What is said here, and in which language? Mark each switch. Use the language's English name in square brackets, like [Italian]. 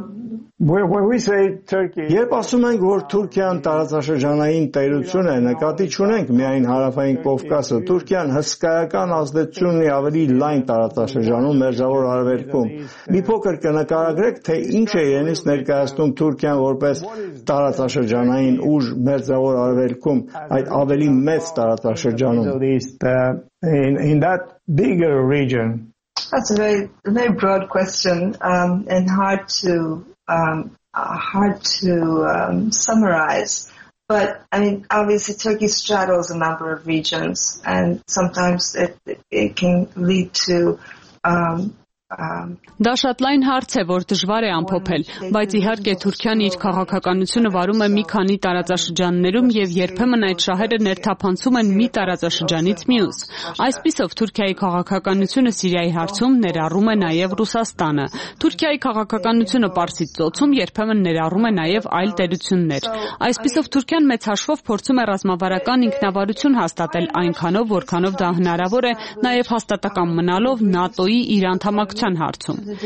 [Armenian] Երբ ասում ենք, որ Թուրքիան տարածաշրջանային տերություն է, նկատի չունենք միայն Հարավային Կովկասը, Թուրքիան հսկայական ազդեցություն ունի ավելի լայն տարածաշրջանում մերձավոր արևելքում։ Մի փոքր կնկարագրեք, թե ինչ է իրենից ներկայացնում Թուրքիան որպես տարածաշրջանային ուժ մերձավոր արևելքում, այդ ավելի մեծ տարածաշրջանում։ [English] In that bigger region. That's a very broad question and hard to summarize. But I mean, obviously, Turkey straddles a number of regions, and sometimes it can lead to. [Armenian] Դա շատ լայն հարց է, որ դժվար է ամփոփել, բայց իհարկե Թուրքիան իր քաղաքականությունը վարում է մի քանի տարածաշրջաններում եւ երբեմն այդ շահերը ներթափանցում են մի տարածաշրջանից մյուս։ Այսպիսով Թուրքիայի քաղաքականությունը Սիրիայի հարցում ներառում է նաեւ Ռուսաստանը։ Թուրքիայի քաղաքականությունը Պարսից ծոցում երբեմն ներառում է նաեւ այլ տերություններ։ Այսպիսով Թուրքիան մեծ հաշվով փորձում է ռազմավարական ինքնավարություն հաստատել այնքանով, որքանով դա հնարավոր է, նաեւ հաստատակամ մնալով ՆԱՏՕ-ի իր անդամակ չան հարցում։